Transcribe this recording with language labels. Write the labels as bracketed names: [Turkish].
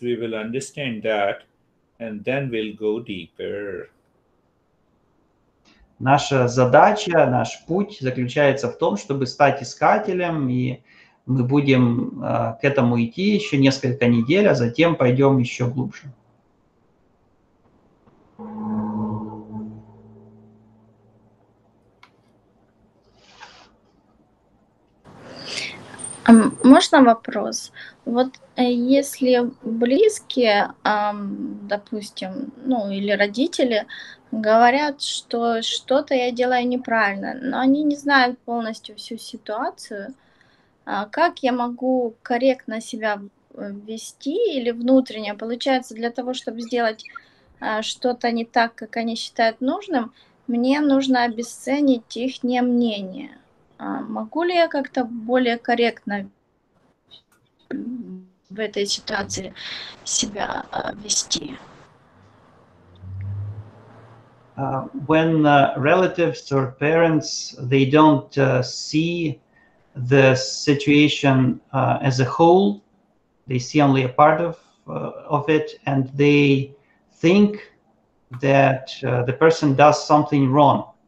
[English] We will understand that and then we'll go deeper. [Russian] Наша задача, наш путь заключается в том, чтобы стать искателем, и мы будем к этому идти еще несколько недель, а затем пойдем еще глубже. Можно вопрос? Вот если близкие, допустим, ну или родители говорят, что что-то я делаю неправильно, но они не знают полностью всю ситуацию, как я могу корректно себя вести или внутренне? Получается, для того, чтобы сделать что-то не так, как они считают нужным, мне нужно обесценить их мнение. Могу ли я как-то более корректно в этой ситуации себя вести? [English] When relatives or parents, they don't see the situation as a whole, they see only a part of it, and they think that the person does something wrong.